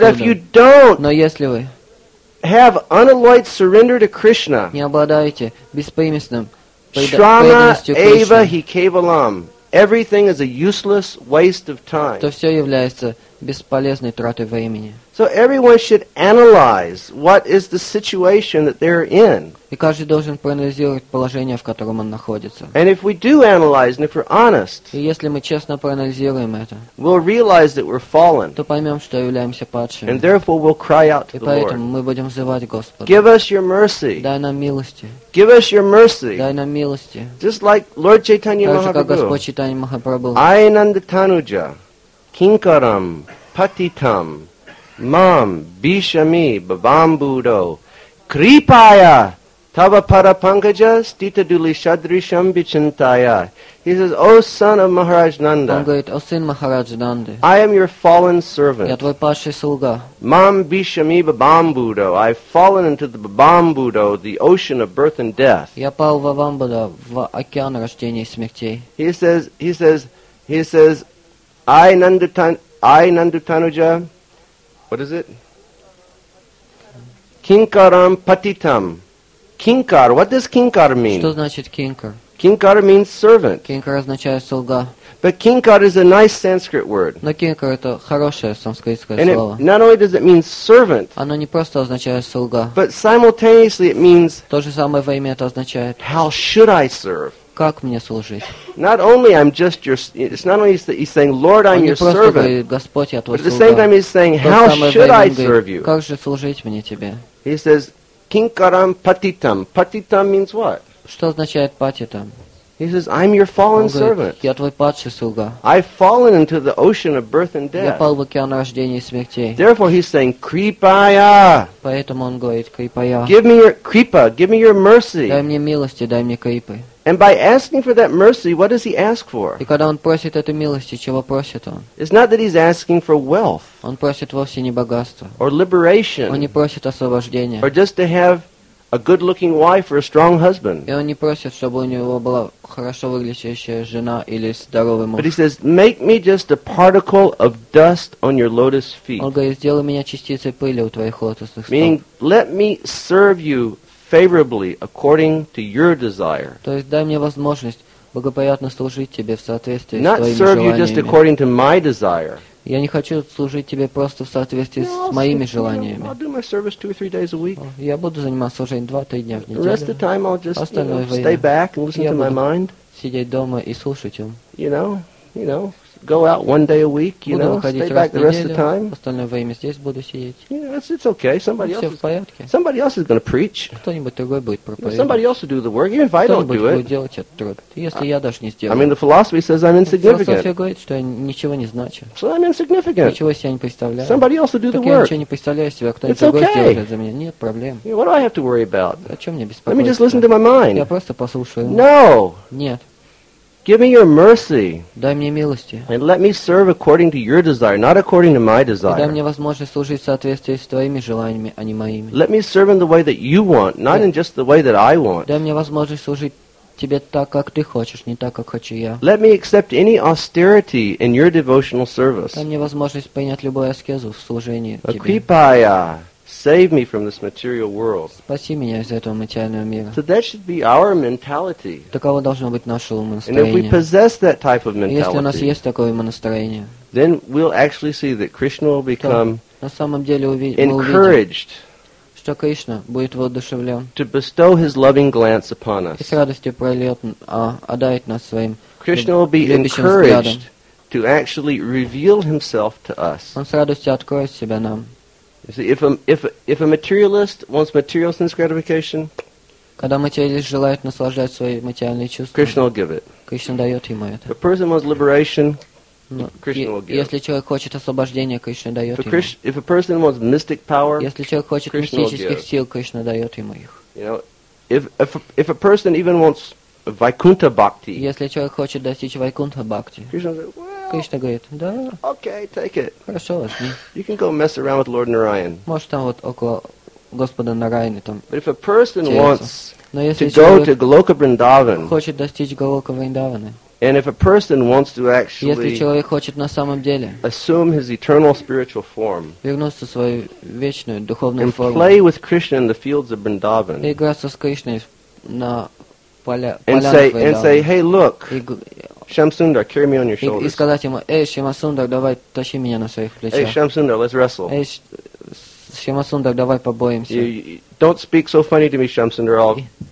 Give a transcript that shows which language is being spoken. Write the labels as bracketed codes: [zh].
[en] But if you don't. [ru] Но если вы. [en] Have unalloyed surrender to Krishna. [ru] Не обладаете беспримесным. [sa] Shrama Eva Hi Kevalam. [en] Everything is a useless waste of time. [ru] То все является бесполезной тратой времени. [en] So everyone should analyze what is the situation that they're in. [ru] И каждый должен проанализировать положение, в котором он находится. [en] And if we do analyze, and if we're honest, [ru] и если мы честно проанализируем это, [en] we'll realize that we're fallen. [ru] То поймем, что являемся падшими. [en] And therefore we'll cry out to the Lord. [ru] И поэтому мы будем взывать Господа. [en] Give us your mercy. [ru] Дай нам милости. [en] Give us your mercy. [ru] Дай нам милости. [en] Just like Lord Chaitanya Mahaprabhu. [ru] Так же, как Господь Чайтанья Махапрабху. [sa] Айнанда Тануджа, Кинкарам, Патитам, Мам, Бишами, Бабамбудо, Крипая, Tava parapankaja stita duli shadrisham bichintaya. [en] He says, O son of Maharaj Nanda, [ru] он говорит, о сын Махараджа Нанды, [en] I am your fallen servant. [ru] Я твой падший слуга. [sa] Mam bishamiva bambudo, [en] I've fallen into the bambudo, the ocean of birth and death. [ru] Я пал в бамбудо, в океан рождения и смертей. [en] He says, I Nandutanuja, what is it? [sa] Kinkaram patitam. [en] Kinkar, what does kinkar mean? [ru] Что значит kinkar? [en] Kinkar means servant. [ru] Kinkar означает слуга. [en] But kinkar is a nice Sanskrit word. [ru] Но kinkar это хорошее санскритское [en] and [ru] слово. [en] And not only does it mean servant. [ru] Оно не просто означает слуга. [en] But simultaneously it means. [ru] То же самое во имя это означает. [en] How should I serve? [ru] Как мне служить? [en] Not only I'm just your. It's not only he's saying, Lord, I'm your servant. [ru] Он не просто говорит, Господь, я твой слуга. [en] But at the same time he's saying, how should I serve you? [ru] Как же служить мне тебе? [en] He says. [sa] Kinkaram patitam. [en] Patitam means what? [ru] Что означает патитам? [en] He says, I'm your fallen [ru] Он говорит, [en] servant. [ru] Я твой падший слуга. [en] I've fallen into the ocean of birth and death. [ru] Я пал в океан рождения и смертей. [en] Therefore he's saying, Kripaya. [ru] Поэтому он говорит, Kripaya. [en] Give me your Kripa, give me your mercy. [ru] Дай мне милости, дай мне Крипы. [en] And by asking for that mercy, what does he ask for? [ru] И когда он просит этой милости, чего просит он? [en] It's not that he's asking for wealth. [ru] Он просит вовсе не богатство. [en] Or liberation. [ru] Он не просит освобождения. [en] Or just to have a good-looking wife or a strong husband. [ru] И он не просит, чтобы у него была хорошо выглядящая жена или здоровый муж. [en] But he says, make me just a particle of dust on your lotus feet. [ru] Он говорит, сделай меня частицей пыли у твоих лотосных стоп. [en] Meaning, let me serve you favorably according to your desire. [ru] То есть дай мне возможность благоприятно служить тебе в соответствии с твоими желаниями. [en] Not serve you just according to my desire. [ru] Я не хочу служить тебе просто в соответствии с моими желаниями. [en] I'll do my service 2 or 3 days a week. [ru] Я буду заниматься служением 2-3 дня в неделю. [en] Rest of time I'll just stay back and listen to my mind. [ru] Сидеть дома и слушать им. [en] You know, go out one day a week. You know, stay back the rest of time. [ru] Остальное время здесь буду сидеть. [en] You know, it's okay. Somebody else. [ru] Все в порядке. [en] Somebody else is going to preach. [ru] Кто-нибудь другой будет проповедовать. [en] Somebody else will do the work, even if I don't do it. [ru] Кто-нибудь будет делать этот труд, если я даже не сделаю. [en] I mean, the philosophy says I'm insignificant. [ru] Философия говорит, что я ничего не значу. [en] So I'm insignificant. [ru] Ничего себе не представляю. [en] Somebody else will do the work. [ru] Так я ничего не представляю себя, кто-нибудь другой сделает это за меня. Нет проблем. [en] What do I have to worry about? [ru] О чем мне беспокоиться? [en] Let me just listen to my mind. [ru] Я просто послушаю. [en] No. [ru] Нет. [en] Give me your mercy. [ru] Дай мне милости. [en] And let me serve according to your desire, not according to my desire. [ru] И дай мне возможность служить в соответствии с твоими желаниями, а не моими. [en] Let me serve in the way that you want, not in just the way that I want. [ru] Дай мне возможность служить тебе так, как ты хочешь, не так, как хочу я. [en] Let me accept any austerity in your devotional service. [ru] Дай мне возможность принять любую аскезу в служении тебе. [en] Akripaya. Save me from this material world. [ru] Спаси меня из этого материального мира. [en] So that should be our mentality. [ru] Таково должно быть наше умонастроение. [en] And if we possess that type of mentality, [ru] если у нас есть такое умонастроение, [en] then we'll actually see that Krishna will become [ru] на самом деле [en] encouraged, [ru] что Кришна будет воодушевлен, [en] to bestow his loving glance upon us. [ru] И с радостью прольет, одарит нас своим [en] Krishna will be encouraged to actually reveal himself to us. [ru] Он с радостью откроет себя нам. [en] You see, if a materialist wants material sense gratification, [ru] когда материалист желает наслаждать свои материальные чувства, [en] Krishna will give it. [ru] Кришна дает ему это. [en] If a person wants liberation, Krishna will give. [ru] Если человек хочет освобождения, Кришна дает ему. [en] If a person wants mystic power, [ru] если человек хочет мистических сил, Кришна дает ему их. [en] You know, if a person even wants Vaikuntha bhakti, [ru] если человек хочет достичь Вайкунтха бхакти, [en] Krishna will say, well, [ru] Кришна говорит, да. [en] Okay, take it. [ru] Хорошо, возьми. [en] You can go mess around with Lord Narayan. [ru] Можешь там вот около Господа Нарайны там. [en] But if a person wants to go to Goloka Vrindavan, [ru] хочет достичь Голока Вриндаваны, [en] and if a person wants to actually, [ru] если человек хочет на самом деле, [en] assume his eternal spiritual form, [ru] вернуться в свою вечную духовную [en] and [ru] форму, [en] and play with Krishna in the fields of Vrindavan, [ru] и играться с Кришной на поля [en] and say, hey, look. Shamsundar, carry me on your shoulders. [ru] И сказать ему, эй, Шамасундар, давай тащи меня на своих плечах. Эй, [en] Шамсундар, let's wrestle. [ru] Эй, Шамасундар, давай побоимся. [en] Don't speak so funny to me, Шамсундар.